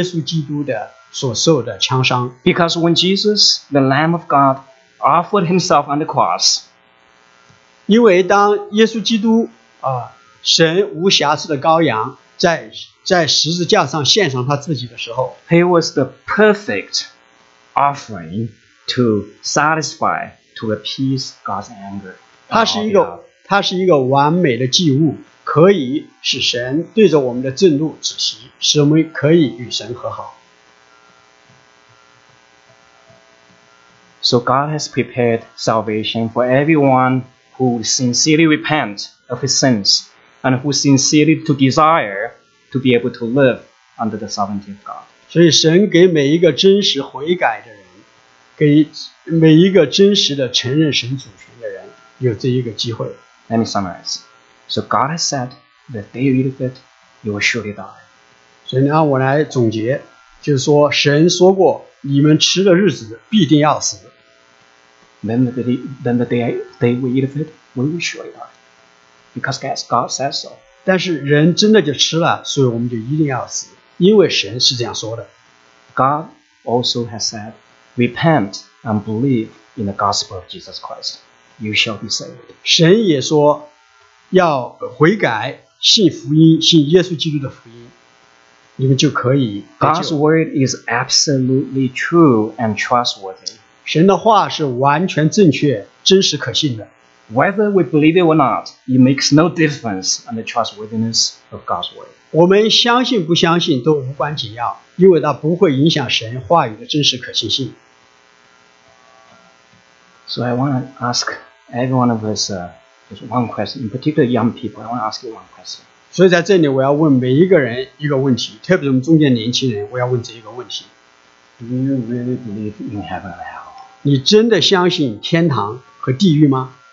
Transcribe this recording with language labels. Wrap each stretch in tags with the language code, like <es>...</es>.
<zh>这唯一的我们可以躲避神震怒的审判的地方是耶稣基督的所受的枪伤。</zh> <en>Because when Jesus, the Lamb of God, offered himself on the cross,</en> <zh>因为当耶稣基督, 神无瑕疵的羔羊, 在十字架上献上他自己的时候,</zh> <en>he was the perfect offering to satisfy, to appease God's anger.</en> <zh>他是一个完美的祭物, 可以使神对着我们的震怒止息, 使我们可以与神和好。</zh> <en>So God has prepared salvation for everyone who sincerely repent of his sins and who sincerely to desire to be able to live under the sovereignty of God.</en> <zh>所以神给每一个真实悔改的人, 给每一个真实的承认神主权的人, 有这一个机会。</zh> <en>Let me summarize. So God has said, the day you eat of it, you will surely die.</en> <zh>所以让我来总结, 就是说神说过, 你们吃的日子必定要死。</zh> <en>Then the day we eat of it, we will surely die. Because God says so.</en> <zh>但是人真的就吃了, 所以我们就一定要死, 因为神是这样说的。</zh> <en>God also has said, repent and believe in the gospel of Jesus Christ. You shall be saved.</en> <zh>神也说, 要悔改, 信福音, 信耶稣基督的福音, 你们就可以得救。</zh> <en>God's word is absolutely true and trustworthy.</en> <zh>神的话是完全正确,真实可信的。</zh> <en>Whether we believe it or not, it makes no difference on the trustworthiness of God's word.</en> <zh>我们相信不相信都无关紧要, 因为它不会影响神话语的真实可信性。</zh> <en>So I want to ask every one of us just one question, in particular young people, I want to ask you one question.</en> <zh>所以在这里我要问每一个人一个问题, 特别是我们中间年轻人, 我要问这一个问题。</zh> <en>Do you really believe in heaven and hell?</en> <zh>你真的相信天堂和地狱吗?</zh>